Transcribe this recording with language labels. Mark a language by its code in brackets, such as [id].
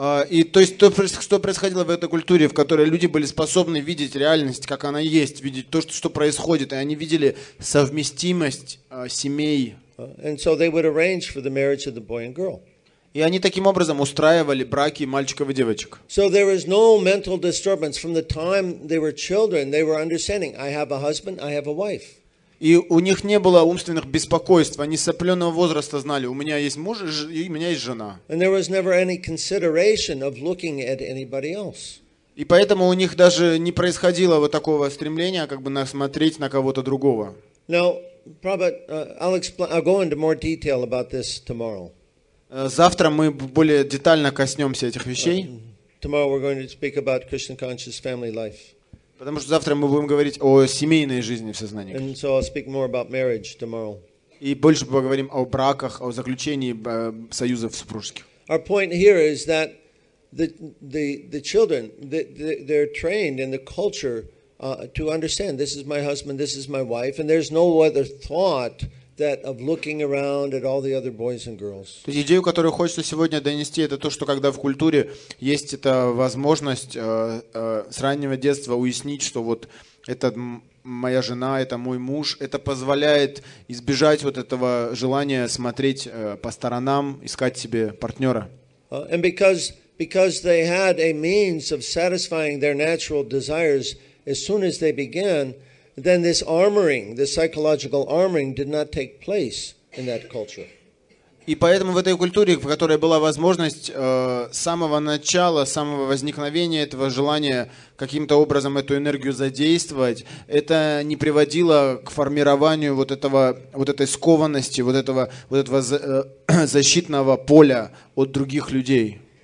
[ru] И то есть что происходило в этой культуре, в которой люди были способны видеть реальность, как она есть, видеть то, что происходит, и они видели совместимость семей. [en] And so they would arrange for the marriage of the boy and girl. [ru] И они таким образом устраивали браки мальчиков и девочек. [en] So there is no mental disturbance from the time they were children. They were understanding. I have a husband. I have a wife. [ru] И у них не было умственных беспокойств. Они с определенного возраста знали: у меня есть муж и у меня есть жена. [en] And there was never any consideration of looking at anybody else. [ru] И поэтому у них даже не происходило вот такого стремления, как бы насмотреть на кого-то другого. [en] Now, Prabhupada, I'll go into more detail about this tomorrow. [ru] Завтра мы более детально коснемся этих вещей. [en] Tomorrow we're going to speak about Krishna conscious family life. [ru] Потому что завтра мы будем говорить о семейной жизни в сознании. [en] And so I'll speak more about marriage tomorrow. [ru] И больше поговорим о браках, о заключении союзов супружеских. [en] Our point here is that the children, they're trained in the culture to understand this is my husband, this is my wife, and there's no other thought that of looking around at all the other boys and girls. [ru] То есть идею, которую хочется сегодня донести, это то, что когда в культуре есть эта возможность с раннего детства уяснить, что вот это моя жена, это мой муж, это позволяет избежать вот этого желания смотреть по сторонам, искать себе партнера. [en] And because they had a means of satisfying their natural desires as soon as they began, then this armoring, this psychological armoring, did not take place in that culture. [ru] И поэтому в этой культуре, в которой была возможность с самого начала, с самого возникновения этого желания каким-то образом эту энергию задействовать, это не приводило к формированию вот этого, вот этой скованности, вот этого защитного поля от других людей.